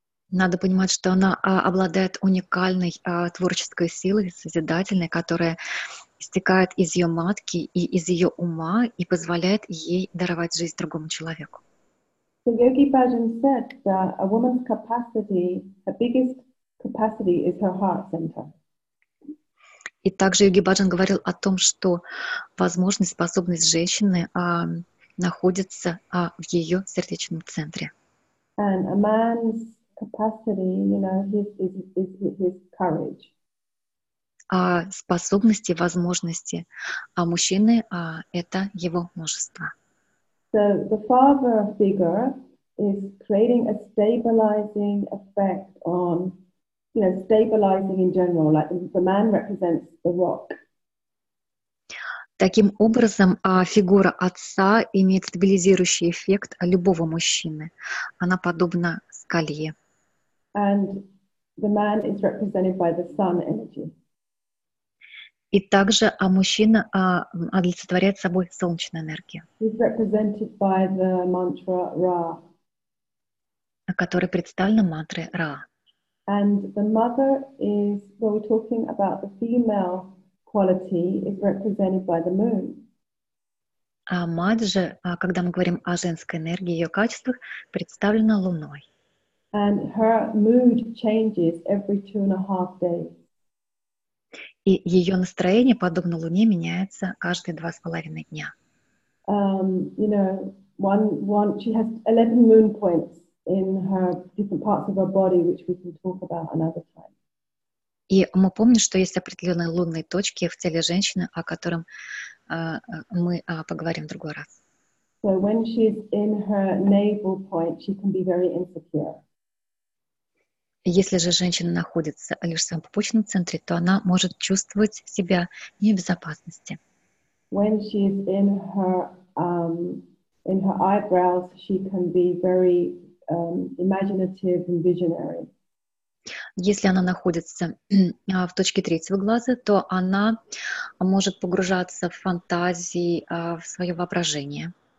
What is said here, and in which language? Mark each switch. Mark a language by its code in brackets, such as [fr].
[ru] Надо понимать, что она обладает уникальной творческой силой, созидательной, которая истекает из ее матки и из ее ума и позволяет ей даровать жизнь другому человеку. [en] So Yogi Bhajan said that a woman's capacity, her biggest capacity, is her heart center. [ru] И также Йоги Баджан говорил о том, что возможность, способность женщины находится в ее сердечном центре. [en] And a man's capacity, you know, his courage. [ru] Способности, возможности мужчины это его мужество. [en] So the father figure is creating a stabilizing effect on, you know, stabilizing in general, like the man represents the rock. [ru] Таким образом, фигура отца имеет стабилизирующий эффект любого мужчины. Она подобна скале. [en] And the man is represented by the sun energy. [ru] И также мужчина олицетворяет собой солнечную энергию. [en] He's represented by the mantra Ra, [ru] который представлен мантрой Ра. [en] And the mother is, well, we're talking about the female quality, is represented by the moon. [ru] А мать же, когда мы говорим о женской энергии, ее качествах, представлена луной. [en] And her mood changes every 2.5 days. [ru] И ее настроение, подобно Луне, меняется каждые 2.5 дня. [en] You know, she has 11 moon points in her different parts of her body, which we can talk about another time. [ru] И мы помним, что есть определенные лунные точки в теле женщины, о котором мы поговорим в другой раз. [en] So when she's in her navel point, she can be very insecure. [ru] Если же женщина находится лишь в своем пупочном центре, то она может чувствовать себя не в безопасности. [en] When she's in her in her eyebrows, she can be very imaginative and visionary. [ru] Если она находится в точке третьего глаза, то она может погружаться в фантазии, в свое воображение.